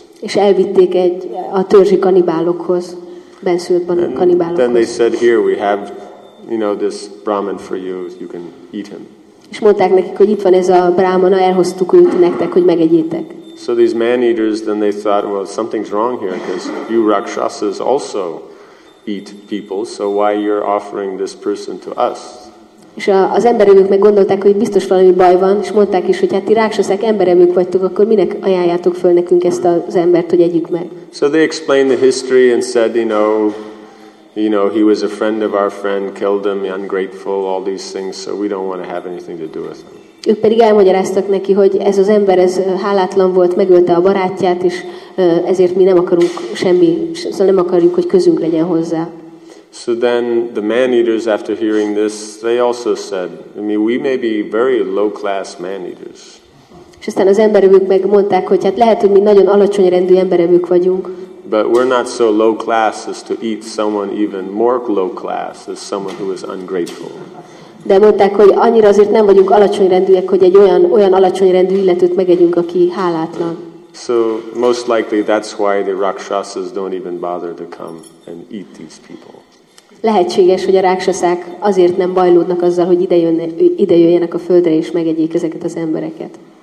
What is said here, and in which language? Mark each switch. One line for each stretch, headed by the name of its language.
Hungarian: És elvitték egy a törzsi kanibálokhoz.
English: And then they said, "Here we have, you know, this brahman for you. You can eat him."
Hungarian: És mondták nekik, hogy itt van ez a brahmana, elhoztuk őt nektek, hogy megegyétek.
English: So these man-eaters, then they thought, "Well, something's wrong here because you rakshasas also eat people. So why you're offering this person to us?"
Hungarian: És az emberek meg gondolták, hogy biztos valami baj van, és mondták is, hogy hát ti rákssaszák emberek vagytok, akkor minek ajánljátok föl nekünk ezt az embert, hogy együk meg.
English: So they explained the history and said, you know, he was a friend of our friend, killed him, ungrateful, all these things, so we don't want to have anything to do with him.
Hungarian: Ők pedig elmagyaráztak neki, hogy ez az ember, ez hálátlan volt, megölte a barátját, és ezért mi nem akarunk semmi, szóval nem akarjuk, hogy közünk legyen hozzá.
English: So then the man-eaters, after hearing this, they also said, I mean, we may be very low-class man-eaters.
Hungarian: És aztán az emberevők meg mondták, hogy hát lehet, hogy mi nagyon alacsony rendű emberevők vagyunk.
English: But we're not so low-class as to eat someone even more low-class as someone who is ungrateful.
Hungarian: De mondták, hogy annyira azért nem vagyunk alacsony rendűek, hogy egy olyan alacsony rendű illetőt megegyünk, aki hálátlan.
English: So most likely that's why the rakshasas don't even bother to come and eat these people.
Hungarian: Lehetséges, hogy a rákszaszák azért nem bajlódnak azzal, hogy idejöjjenek a földre és megegyék ezeket az embereket.